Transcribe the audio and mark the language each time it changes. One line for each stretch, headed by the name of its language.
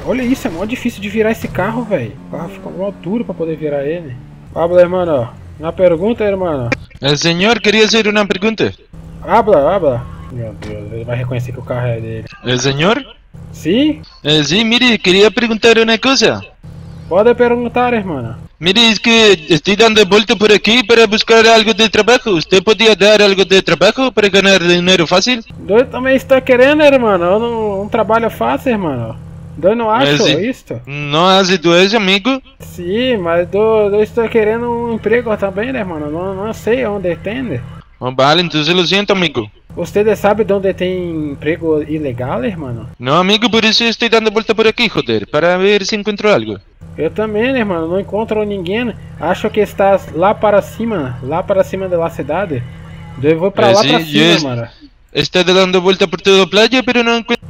Portuguese: Olha isso, é mó difícil de virar esse carro, velho. O carro ficou mó duro pra poder virar ele. Pablo, mano, ó. Uma pergunta, irmão. O senhor queria fazer uma pergunta?
Spanish: Habla.
Portuguese: Meu Deus, ele vai reconhecer que o carro é dele. O senhor? Sim? Sim, mire, queria perguntar uma coisa. Pode perguntar, irmão.
Spanish: Mire, es que estoy dando vuelta por aquí para buscar algo de trabajo. ¿Usted podía dar algo de trabajo para ganar dinero fácil? Yo también estoy queriendo, hermano, un trabajo fácil, hermano. Yo no hago esto. ¿No hace tú eso, amigo? Sí, pero yo estoy queriendo un empleo también, hermano. No sé dónde estende. Oh, vale, entonces lo siento, amigo. ¿Usted sabe dónde
Portuguese: tem emprego ilegal,
Spanish: hermano? No, amigo, por eso estoy dando vuelta por aquí, joder, para ver si encuentro algo. Yo también, hermano, no encuentro ninguém.
Portuguese: Acho que estás lá para cima de la cidade.
Spanish: Yo voy para lá para cima, hermano. Estás dando vuelta por toda la playa, pero no encuentro.